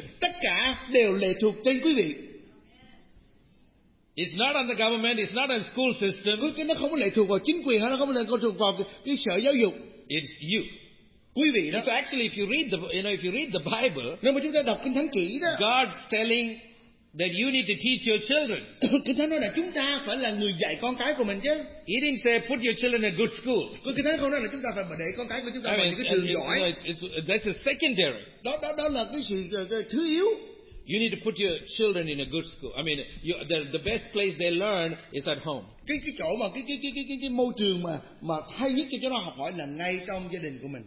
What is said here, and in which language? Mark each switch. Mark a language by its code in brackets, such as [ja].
[vi] Tất cả đều lệ thuộc trên quý vị. [en] It's not on the government, it's not on school system. [vi] Nó không có lệ thuộc vào chính quyền hay nó không có lệ thuộc vào cái sở giáo dục. [en] It's you. [vi] Quý vị đó. [en] So actually if you read the Bible, [vi] nếu mà chúng ta đọc Kinh Thánh kỹ đó, [en] God's telling that you need to teach your children. [vi] Kinh Thánh nói là chúng ta phải là người dạy con cái của mình chứ. [en] He didn't say put your children in good school. [vi] Kinh Thánh không nói là chúng ta phải để con cái của chúng ta vào những cái trường giỏi. [en] That's a secondary. [vi] Đó là cái sự thứ yếu. [en] You need to put your children in a good school. I mean, the best place they learn is at home. [vi] Cái chỗ mà cái môi trường mà hay nhất cho chúng nó học hỏi là ngay trong gia đình của mình.